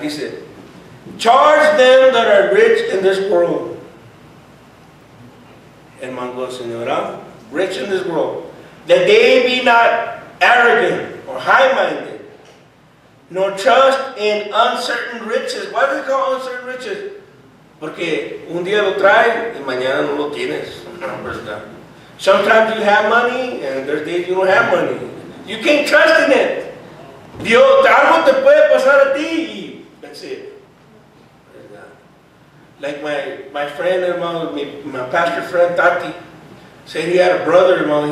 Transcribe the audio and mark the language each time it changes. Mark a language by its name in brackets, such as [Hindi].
[English] Dice, charge them that are rich in this world. Hermano, señora, rich in this world. That they be not arrogant or high-minded, nor trust in uncertain riches. Why do they call uncertain riches? [Spanish] Porque un día lo trae y mañana no lo tienes. [English] Sometimes you have money and there's days you don't have money. You can't trust in it. [Spanish] Dios, algo te puede pasar a ti. [English] That's it. Like my friend, hermano, my pastor friend Tati, said he had a brother, hermano.